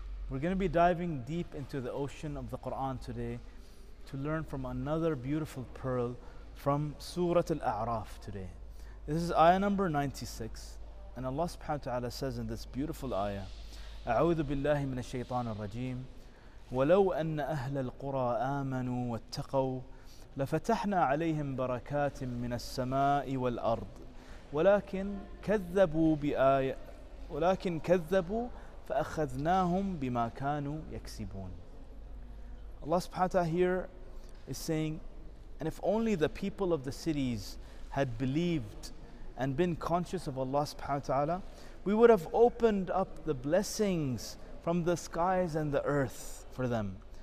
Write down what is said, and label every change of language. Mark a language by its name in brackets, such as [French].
[English] We're going to be diving deep into the ocean of the Quran today to learn from another beautiful pearl from Surah Al-A'raf today. This is ayah number 96, and Allah subhanahu wa ta'ala says in this beautiful ayah, [Arabic] أعوذ بالله من الشيطان الرجيم ولو أن أهل القرى آمنوا واتقوا لفتحنا عليهم بركات من السماء والأرض ولكن كذبوا فأخذناهم بما كانوا يكسبون. [English] Allah subhanahu wa ta'ala here is saying, and if only the people of the cities had believed and been conscious of Allah subhanahu wa ta'ala, we would have opened up the blessings from the skies and the earth for them.